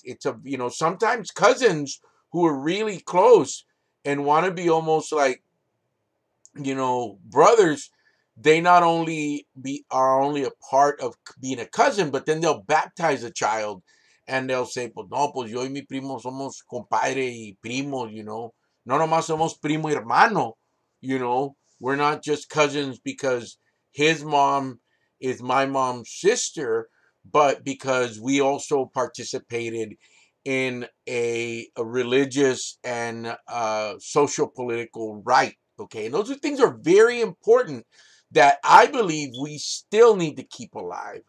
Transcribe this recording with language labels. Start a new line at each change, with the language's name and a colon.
English: It's sometimes cousins who are really close and want to be almost like, you know, brothers, they not only are only a part of being a cousin, but then they'll baptize a child and they'll say,
Spanish: pues no, pues yo y mi primo somos compadre y primo,
English: you know.
Spanish: No nomás somos primo y hermano.
English: You know, we're not just cousins because his mom is my mom's sister, but because we also participated in a religious and social political rite. Okay, and those are things are very important that I believe we still need to keep alive.